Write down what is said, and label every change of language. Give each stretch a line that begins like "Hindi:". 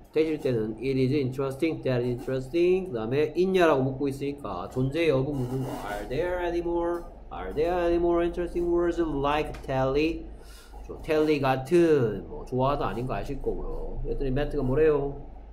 English: that일 때는 it is interesting, that is interesting.
Korean: 그다음에 있냐라고 묻고 있으니까 존재 여부 묻는 거.
English: Are there any more? Are there any more interesting words like tally?
Korean: 저 텔리 같은 뭐 좋아하다 아닌 거 아실 거고요. 그랬더니 매트가 뭐래요?